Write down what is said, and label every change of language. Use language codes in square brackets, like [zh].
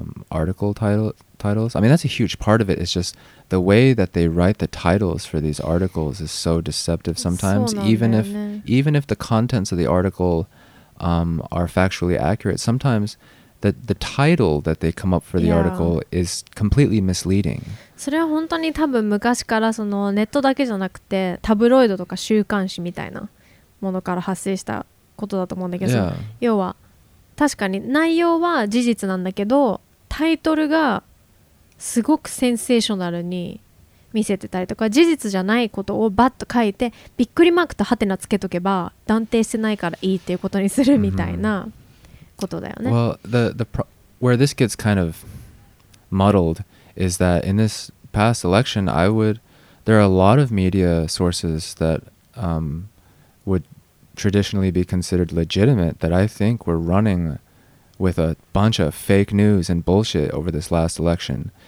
[en] article titles. I mean, that's a huge part of it. It's just the way that they write the titles for these articles is so deceptive sometimes. Even if the contents of the article are factually accurate, sometimes the title that they come up for the article is completely misleading. [ja] それは本当に多分昔からそのネットだけじゃなくてタブロイドとか週刊誌みたいなものから発生したことだと思うんだけど、要は確かに内容は事実なんだけど、タイトルがすごくセンセーショナルに見せてたりとか、事実じゃないことをバッと書いてびっくりマークとハテナつけとけば断定してないからいいっていうことにするみたいなことだよね。 Mm-hmm. [en] Well, where this gets kind of muddled is that in this past election, there are a lot of media sources that would traditionally be considered legitimate that I think were running with a bunch of fake news and bullshit over this last election.